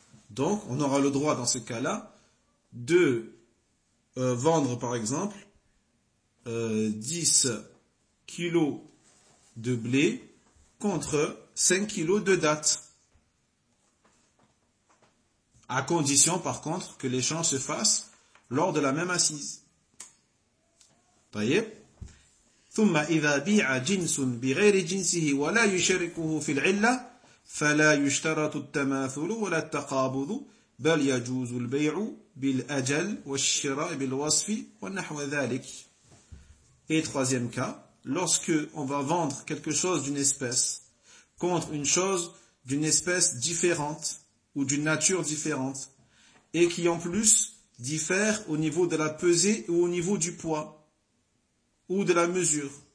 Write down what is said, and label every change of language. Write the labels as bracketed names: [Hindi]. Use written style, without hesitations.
[French] Donc on aura le droit dans ce cas-là de vendre par exemple 10 kilos de blé contre 5 kilos de dattes. À condition, par contre, que l'échange se fasse lors de la même assise. [Arabic] طيب. ثم إذا بيع جنس بغير جنسه ولا يشاركه في العلة فلا يشترط التماثل ولا التقابض بل يجوز البيع بالأجل والشراء بالوصف ونحو ذلك. [French] Et troisième cas, lorsque on va vendre quelque chose d'une espèce contre une chose d'une espèce différente ou d'une nature différente, et qui en plus diffère au niveau de la pesée ou au niveau du poids, ou de la mesure.